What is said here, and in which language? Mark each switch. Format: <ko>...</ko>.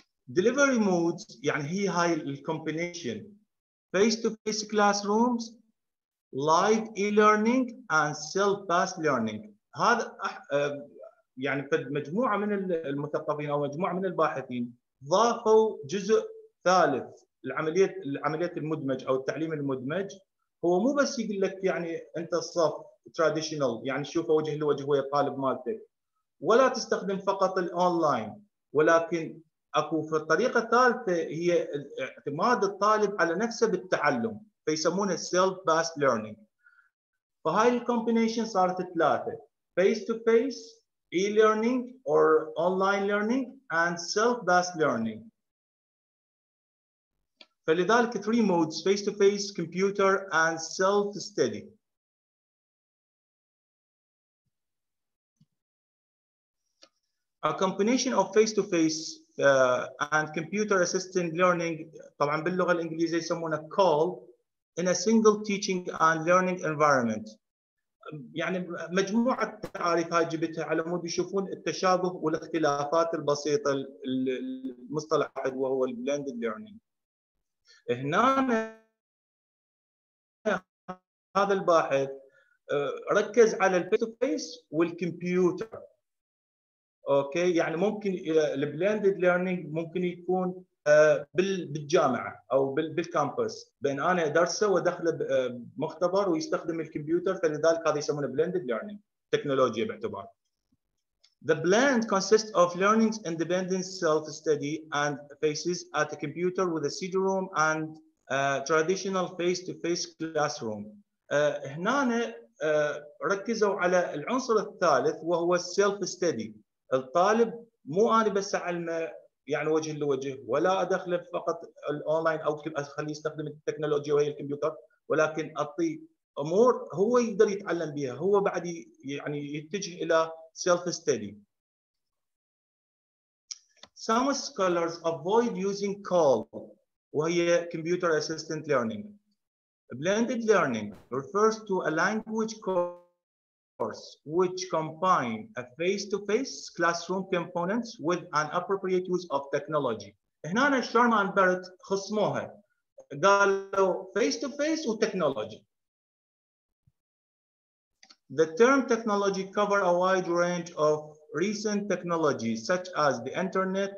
<en>Delivery modes</en> <ar>يعني هي هاي الكومبينيشن،</ar> <en>face to face classrooms، live e-learning and self paced learning.</en> <ar>هذا يعني فد مجموعة من المثقفين أو مجموعة من الباحثين ضافوا جزء ثالث العملية المدمج أو التعليم المدمج. هو مو بس يقول لك يعني أنت الصف traditional يعني شوفه وجه لوجه ويا الطالب مالتك، ولا تستخدم فقط الأونلاين، ولكن أكو في الطريقة الثالثة هي اعتماد الطالب على نفسه بالتعلم، فيسمونه self-based learning. فهاي الكومبينيشن صارت ثلاثة:</ar> <en>face-to-face, e-learning or online learning and self-based learning. فلذلك three modes: face-to-face, computer and self-study. A combination of face-to-face and computer-assisted learning,</en> <ar>طبعا باللغة الإنجليزية يسمونه</ar> <en>call, in a single teaching and learning environment.</en> <ar>يعني مجموعة تعريف هاي جبتها على مود يشوفون التشابه والاختلافات البسيطة المصطلح وهو blended learning. هنا هذا الباحث ركز على face-to-face والكمبيوتر. اوكي يعني ممكن البلندد ليرنينج ممكن يكون بالجامعه او بالكامبس بين انا ادرسه وادخله مختبر ويستخدم الكمبيوتر، فلذلك هذا يسمونه بلندد ليرنينج تكنولوجيا باعتبار.</ar> <en>The blend consists of learning's independent self study and faces at a computer with a CD-ROM and a traditional face to face classroom. هنا</en> <ar>ركزوا على العنصر الثالث وهو السيلف ستدي. الطالب مو انا بس اعلمه يعني وجه لوجه، ولا ادخله فقط الاونلاين او اخليه يستخدم التكنولوجيا وهي الكمبيوتر، ولكن اعطي امور هو يقدر يتعلم بها، هو بعد يعني يتجه الى سيلف ستدي.</ar> <en>Some scholars avoid using CALL, وهي Computer Assistant Learning. Blended learning refers to a language course which combines a face-to-face classroom components with an appropriate use of technology.</en> <ar>هنا شارمان بارت خصموها، قالوا face-to-face وtechnology.</ar> <en>The term technology covers a wide range of recent technologies such as the internet.</en>